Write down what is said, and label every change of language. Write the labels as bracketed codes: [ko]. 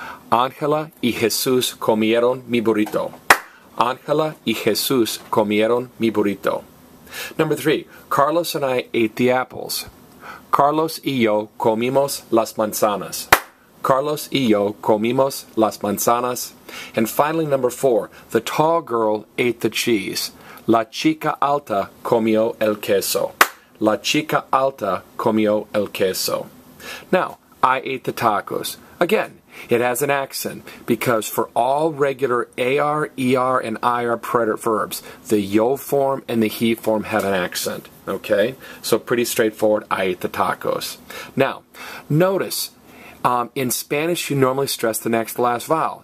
[es] Ángela y Jesús comieron mi burrito. Ángela y Jesús comieron mi burrito. [en] Number three, Carlos and I ate the apples. [es] Carlos y yo comimos las manzanas. Carlos y yo comimos las manzanas. [en] And finally, number four, the tall girl ate the cheese. [es] La chica alta comió el queso. La chica alta comió el queso. [en] Now, I ate the tacos. Again, it has an accent because for all regular AR, ER, and IR preterite verbs, the yo form and the he form have an accent. Okay? So pretty straightforward, I ate the tacos. Now, notice, in Spanish, you normally stress the next to last vowel.